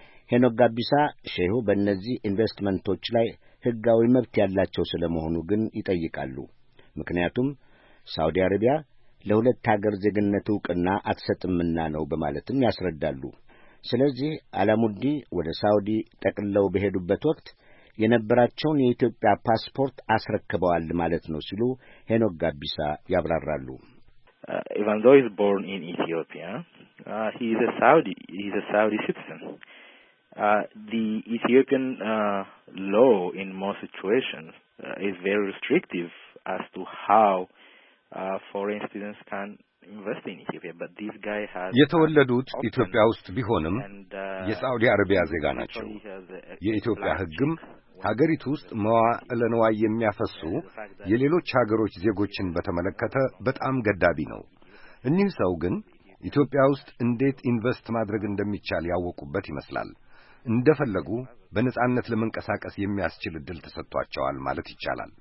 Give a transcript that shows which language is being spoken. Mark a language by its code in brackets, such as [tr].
[am] ሄኖክ ጋቢሳ ሼሁ በእነዚህ ኢንቨስትመንቶች ላይ ህጋዊ መብት ያላቸው ስለመሆኑ ግን ይጠይቃሉ። ምክንያቱም ሳውዲ አረቢያ ለሁለት ሀገር ዜግነት ዕውቅና አትሰጥምና ነው በማለትም ያስረዳሉ። ስለዚህ አላሙዲ ወደ ሳውዲ ተቀለው በሄዱበት ወቅት የነበራቸውን የኢትዮጵያ ፓስፖርት አስረክበዋል ማለት ነው ሲሉ ሄኖክ ጋቢሳ ያብራራሉ። [en] Even though he's born in Ethiopia, he's a Saudi citizen. The Ethiopian law in most situations is very restrictive as to how foreign students can invest in Ethiopia, but this guy has [am] የተወለዱት ኢትዮጵያ ውስጥ ቢሆንም የሳውዲ አረቢያ ዜጋ ናቸው። የኢትዮጵያ ህግም ሀገሪቱ ውስጥ መዋዕለ ንዋይ የሚያፈሱ የሌሎች ሀገሮች ዜጎችን በተመለከተ በጣም ገዳቢ ነው። እኒህ ሰው ግን ኢትዮጵያ ውስጥ እንዴት ኢንቨስት ማድረግ እንደሚቻል ያወቁበት ይመስላል። እንደፈለጉ በነጻነት ለመንቀሳቀስ የሚያስችል ድል ተሰጥቷቸዋል ማለት ይቻላል።